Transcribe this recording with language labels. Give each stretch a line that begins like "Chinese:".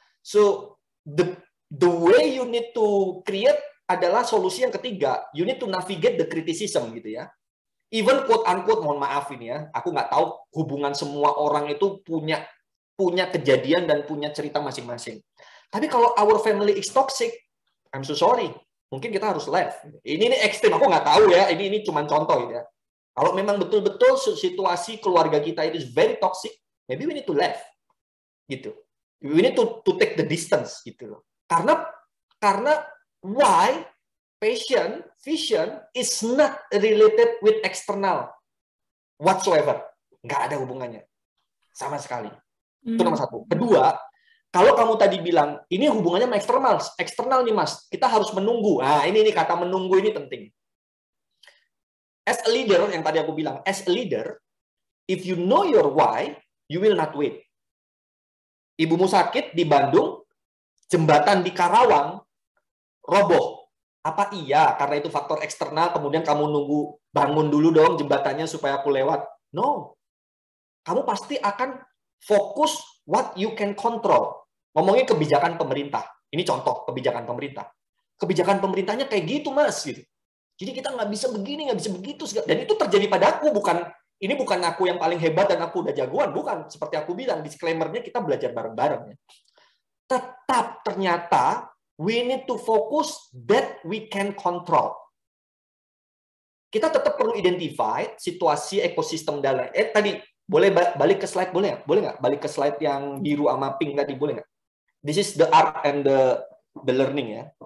English: So, the way you need to create
Indonesian: adalah solusi yang ketiga.
English: You need to navigate the criticism,
Indonesian: gitu ya.
English: Even quote-unquote,
Indonesian: mohon maaf ini ya, aku nggak tahu hubungan semua orang itu punya kejadian dan punya cerita masing-masing. Tapi kalau
English: our family is toxic, I'm so sorry.
Indonesian: Mungkin kita harus left. Ini ekstrim, aku nggak tahu ya. Ini cuma contoh gitu ya. Kalau memang betul-betul situasi keluarga kita itu
English: very toxic, maybe we need to left.
Indonesian: Gitu.
English: We need to take the distance.
Indonesian: Gitu loh. Karena
English: why passion, vision is not related with external whatsoever.
Indonesian: Nggak ada hubungannya. Sama sekali. Itu nomor satu. Kedua, kalau kamu tadi bilang, ini hubungannya sama eksternal. Eksternal nih mas, kita harus menunggu. Nah ini kata menunggu ini penting.
English: As a leader,
Indonesian: yang tadi aku bilang,
English: as a leader, if you know your why, you will not wait.
Indonesian: Ibumu sakit di Bandung, jembatan di Karawang, roboh. Apa iya? Karena itu faktor eksternal, kemudian kamu nunggu, bangun dulu dong jembatannya supaya aku lewat. No. Kamu pasti akan fokus
English: what you can control.
Indonesian: Ngomongin kebijakan pemerintah. Ini contoh kebijakan pemerintah. Kebijakan pemerintahnya kayak gitu, mas. Gitu. Jadi kita nggak bisa begini, nggak bisa begitu. Dan itu terjadi pada aku. Bukan aku yang paling hebat dan aku udah jagoan. Bukan. Seperti aku bilang, disclaimer-nya kita belajar bareng-bareng. Tetap ternyata,
English: we need to focus that we can control.
Indonesian: Kita tetap perlu identify situasi ekosistem dalam. Tadi, boleh balik ke slide, boleh ya? Boleh nggak? Balik ke slide yang biru sama pink tadi, boleh nggak?
English: This is the art and the learning ya.